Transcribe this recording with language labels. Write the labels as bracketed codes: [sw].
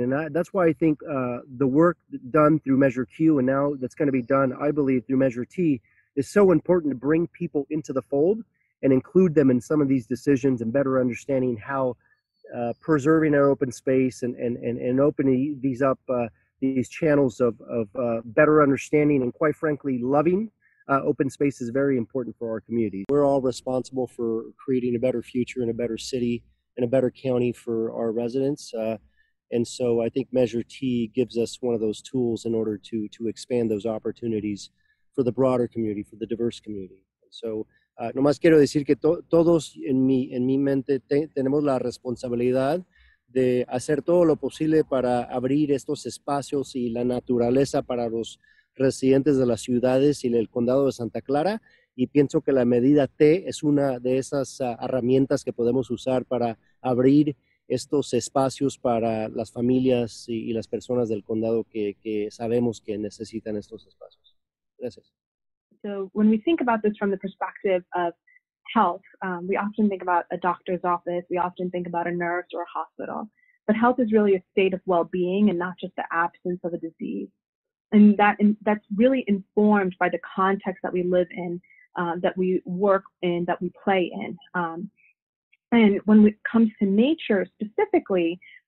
[en] And that's why I think the work done through Measure Q and now that's going to be done, I believe, through Measure T is so important to bring people into the fold and include them in some of these decisions and better understanding how preserving our open space and opening these up, these channels of better understanding and, quite frankly, loving open space is very important for our community. We're all responsible for creating a better future and a better city and a better county for our residents. And so I think Measure T gives us one of those tools in order to expand those opportunities for the broader community, for the diverse community. [es] So nomás quiero decir que todos en mi mente tenemos la responsabilidad de hacer todo lo posible para abrir estos espacios y la naturaleza para los residentes de las ciudades y el condado de Santa Clara. Y pienso que la medida T es una de esas herramientas que podemos usar para abrir estos espacios para las familias y las personas del condado que sabemos que necesitan estos espacios. Gracias. [en] So when we think about this from the perspective of health, we often think about a doctor's office, we often think about a nurse or a hospital, but health is really a state of well-being and not just the absence of a disease. And that's really informed by the context that we live in, that we work in, that we play in. And when it comes to nature specifically,